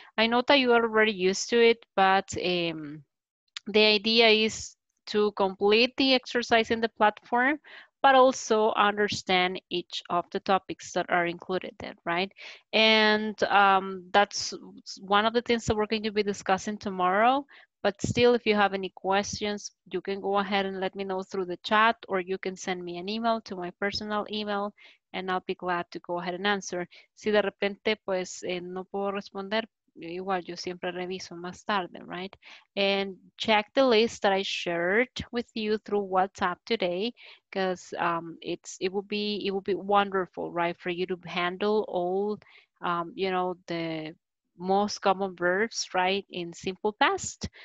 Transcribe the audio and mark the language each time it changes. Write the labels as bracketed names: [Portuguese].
[English] I know that you are already used to it, but the idea is to complete the exercise in the platform, but also understand each of the topics that are included there, right? And that's one of the things that we're going to be discussing tomorrow. But still, if you have any questions, you can go ahead and let me know through the chat, or you can send me an email to my personal email, and I'll be glad to go ahead and answer. [Spanish] Si de repente, pues, no puedo responder, igual yo siempre reviso más tarde, right? [English] And check the list that I shared with you through WhatsApp today, because it would be wonderful, right, for you to handle all, you know, the most common verbs, right, in simple past.